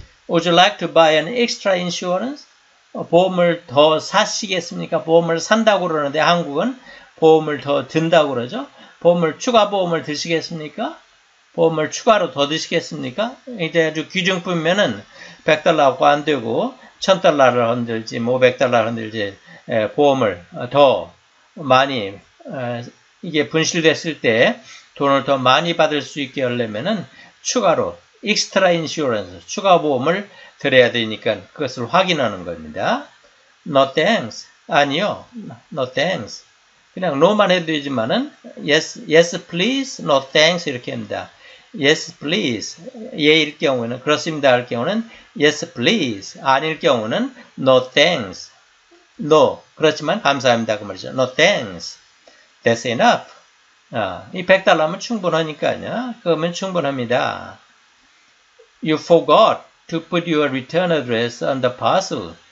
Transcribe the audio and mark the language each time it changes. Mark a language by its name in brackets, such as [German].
[English] Would you like to buy an extra insurance? [Korean] 보험을 더 사시겠습니까? 보험을 산다고 그러는데 한국은 보험을 더 든다고 그러죠. 보험을 추가 보험을 드시겠습니까? 보험을 추가로 더 드시겠습니까? 이제 아주 귀중품이면은 100달러하고 안 되고 1000달러를 흔들지 500달러를 흔들지 보험을 더 많이 이게 분실됐을 때 돈을 더 많이 받을 수 있게 하려면은 추가로 [English] extra insurance [Korean] 추가 보험을 드려야 되니까 그것을 확인하는 겁니다. [English] No thanks. [Korean] 아니요. No thanks. 그냥 no만 해도 되지만은 [English] yes please, no thanks [Korean] 이렇게 합니다. [English] Yes please. [Korean] 예일 경우는 그렇습니다 할 경우는 [English] yes please. [Korean] 아닐 경우는 [English] no thanks. No. [Korean] 그렇지만 감사합니다 그 말이죠. [English] No thanks. That's enough. [Korean] 이 100달러면 충분하니까요. 그러면 충분합니다. [English] You forgot to put your return address on the parcel.